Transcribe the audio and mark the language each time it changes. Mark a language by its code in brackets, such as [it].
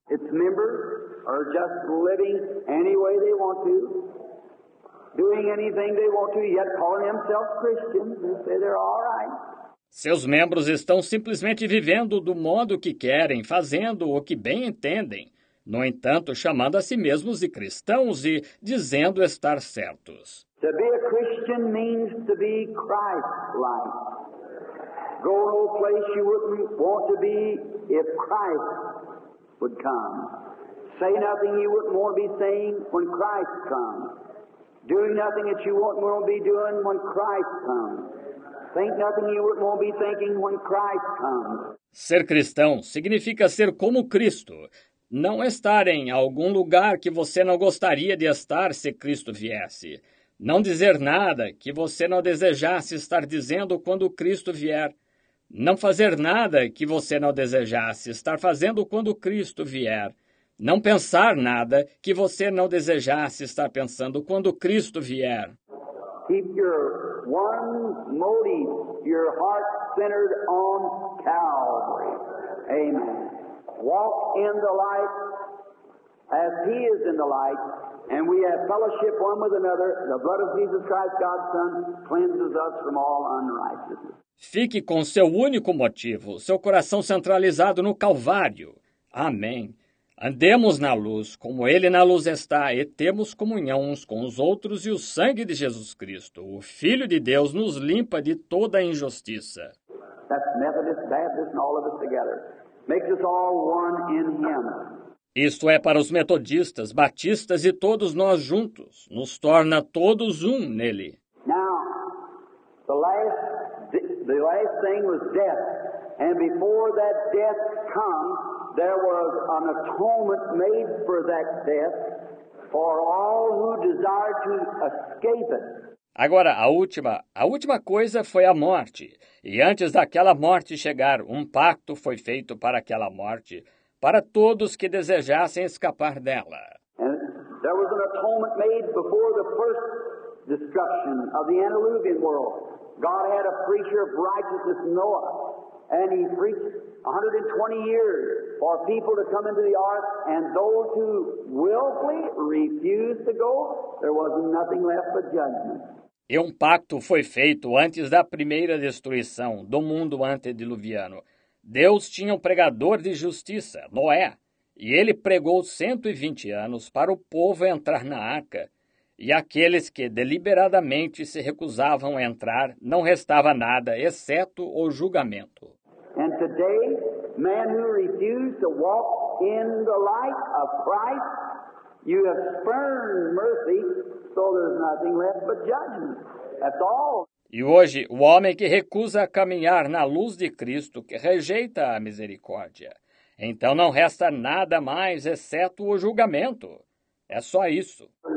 [en] Its members are just living any way they want to, doing anything they want to, yet calling themselves Christians and say they're all right. [pt] Seus membros estão simplesmente vivendo do modo que querem, fazendo o que bem entendem. No entanto, chamando a si mesmos de cristãos e dizendo estar certos. [en] To be a Christian means to be Christ-like. Go no place you wouldn't want to be if Christ would come. Say nothing you wouldn't want to be saying when Christ comes. Do nothing that you wouldn't want to be doing when Christ comes. Think nothing you wouldn't want to be thinking when Christ comes. [pt] Ser cristão significa ser como Cristo. Não estar em algum lugar que você não gostaria de estar se Cristo viesse. Não dizer nada que você não desejasse estar dizendo quando Cristo vier. Não fazer nada que você não desejasse estar fazendo quando Cristo vier. Não pensar nada que você não desejasse estar pensando quando Cristo vier. [en] Keep your one motive, your heart centered on Calvary. Amen. Walk in the light as he is in the light, and we have fellowship one with another. The blood of Jesus Christ, God's Son, cleanses us from all unrighteousness. [pt] Fique com seu único motivo, seu coração centralizado no Calvário. Amém. Andemos na luz, como ele na luz está, e temos comunhão uns com os outros, e o sangue de Jesus Cristo, o Filho de Deus, nos limpa de toda a injustiça. [en] That's Methodist, Baptist, and all of us together. Makes us all one in him. [pt] Isto é para os metodistas, batistas e todos nós juntos. Nos torna todos um nele. [en] Now, the last thing was death. And before that death comes, there was an atonement made for that death for all who desire to escape it. [pt] Agora, a última coisa foi a morte. E antes daquela morte chegar, um pacto foi feito para aquela morte, para todos que desejassem escapar dela. [en] And there was an atonement made before the first destruction of the Antediluvian world. God had a preacher of righteousness, Noah, and he preached 120 years for people to come into the ark, and those who willfully refused to go, there was nothing left but judgment. [pt] E um pacto foi feito antes da primeira destruição do mundo antediluviano. Deus tinha um pregador de justiça, Noé, e ele pregou 120 anos para o povo entrar na arca. E aqueles que deliberadamente se recusavam a entrar, não restava nada, exceto o julgamento. E hoje, o homem que [en] refused to walk in the light of Christ, you have spurned mercy. So there's nothing left but judgment. That's all. [pt] E hoje, o homem que recusa caminhar na luz de Cristo, que rejeita a misericórdia. Então não resta nada mais exceto o julgamento. É só isso.